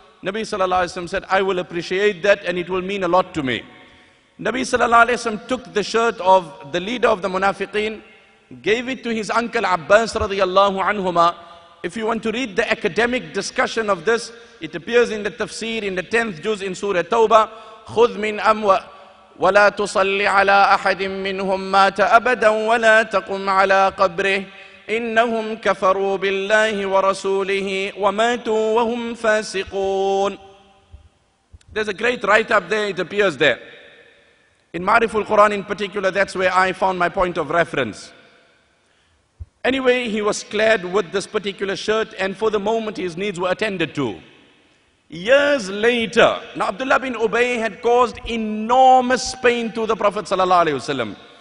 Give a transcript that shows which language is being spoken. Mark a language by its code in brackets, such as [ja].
[en] Nabi sallallahu alayhi wa sallam said, I will appreciate that and it will mean a lot to me. Nabi sallallahu alayhi wa sallam took the shirt of the leader of the Munafiqeen, gave it to his uncle Abbas radiallahu anhuma. If you want to read the academic discussion of this, it appears in the tafsir in the 10th juz in Surah Tawbah. [ar] خُذْ مِنْ أَمْوَى وَلَا تُصَلِّ عَلَىٰ أَحَدٍ مِّنْهُمْ مَاتَ أَبَدًا وَلَا تَقُمْ عَلَىٰ قَبْرِهِ إِنَّهُمْ كَفَرُوا بِاللَّهِ وَرَسُولِهِ وَمَاتُوا وَهُمْ فَاسِقُونَ [en] There's a great write-up there, it appears there. In Ma'riful Quran in particular, that's where I found my point of reference. Anyway, he was clad with this particular shirt and for the moment his needs were attended to. Years later, now Abdullah bin Ubay had caused enormous pain to the Prophet sallallahu alaihi wasallam.